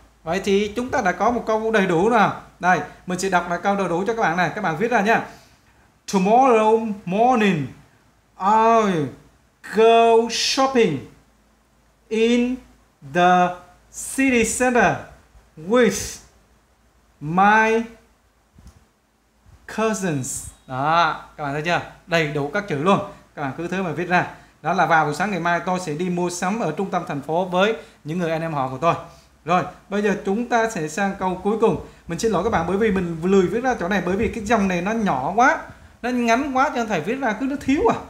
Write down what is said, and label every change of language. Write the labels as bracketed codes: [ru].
[vi] Vậy thì chúng ta đã có một câu đầy đủ nào. Đây, mình sẽ đọc lại câu đầy đủ cho các bạn này, các bạn viết ra nhá. [en] Tomorrow morning I go shopping in the city center with my cousins. [vi] Đó, các bạn thấy chưa? Đầy đủ các chữ luôn. Các bạn cứ thế mà viết ra. Đó là vào buổi sáng ngày mai tôi sẽ đi mua sắm ở trung tâm thành phố với những người anh em họ của tôi. Rồi, bây giờ chúng ta sẽ sang câu cuối cùng. Mình xin lỗi các bạn bởi vì mình lười viết ra chỗ này, bởi vì cái dòng này nó nhỏ quá, nó ngắn quá cho nên thầy viết ra cứ nó thiếu à.